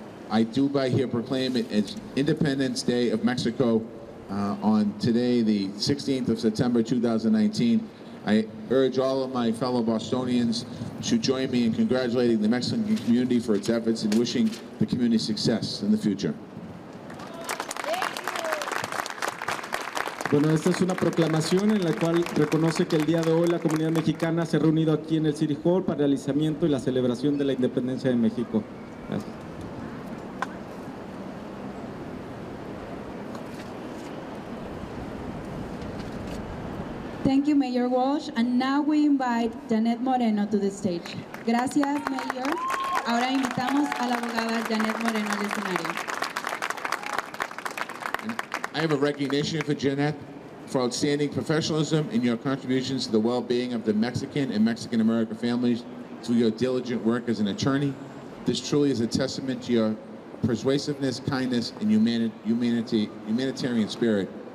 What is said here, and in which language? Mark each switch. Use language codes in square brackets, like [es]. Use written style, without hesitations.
[en] I do by here proclaim it as Independence Day of Mexico on today, the 16th of September, 2019. I urge all of my fellow Bostonians to join me in congratulating the Mexican community for its efforts and wishing the community success in the future. [es] Bueno, esta es una proclamación en la cual reconoce que el día de hoy la comunidad mexicana se ha reunido aquí en el City Hall para el realizamiento y la celebración de la independencia de México. Gracias. [en] Thank you, Mayor Walsh. And now we invite Janet Moreno to the stage. [es] Gracias, Mayor. Ahora invitamos a la abogada Janet Moreno al escenario. [en] I have a recognition for Janet for outstanding professionalism and your contributions to the well-being of the Mexican and Mexican-American families through your diligent work as an attorney. This truly is a testament to your persuasiveness, kindness, and humanitarian spirit.